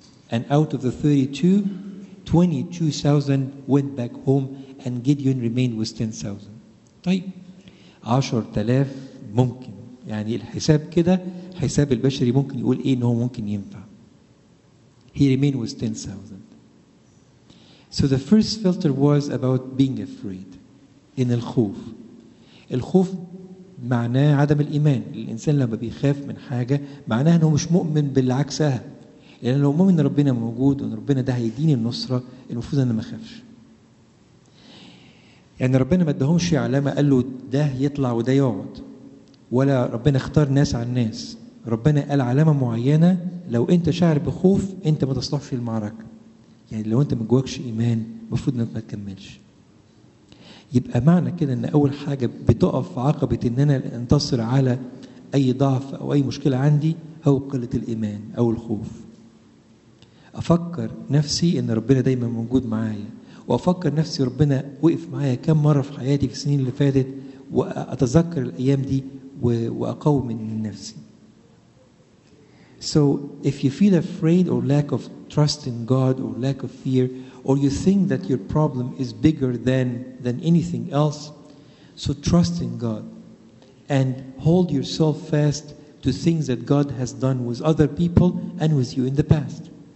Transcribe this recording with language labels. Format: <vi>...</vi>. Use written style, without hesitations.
<en>And out of the 22,000 went back home and Gideon remained with 10,000.</en> <ar>طيب 10,000 ممكن، يعني الحساب كده حساب البشري ممكن يقول ايه ان هو ممكن ينفع.</ar> <en>He remained with 10,000. So the first filter was about being afraid.</en> <ar>ان الخوف، الخوف معناه عدم الايمان. الانسان لما بيخاف من حاجه معناه انه مش مؤمن بالعكسها، لان لو مؤمن ربنا موجود وان ربنا ده هيديني النصره المفروض ان ما اخافش. يعني ربنا ما ادهمش علامة قال له ده يطلع وده يقعد، ولا ربنا اختار ناس عن ناس. ربنا قال علامة معينة، لو انت شاعر بخوف انت ما تصلحش المعركة. يعني لو انت ما جواكش ايمان مفروض انك ما تكملش. يبقى معنى كده ان اول حاجة بتقف عقبة ان انا انتصر على اي ضعف او اي مشكلة عندي هو قلة الايمان او الخوف. افكر نفسي ان ربنا دايما موجود معايا، وأفكر نفسي ربنا وقف معايا كم مرة في حياتي في السنين اللي فاتت، وأتذكر الأيام دي وأقوم من نفسي.</ar> <en>So if you feel afraid or lack of trust in God or lack of fear, or you think that your problem is bigger than anything else, so trust in God and hold yourself fast to things that God has done with other people and with you in the past.</en>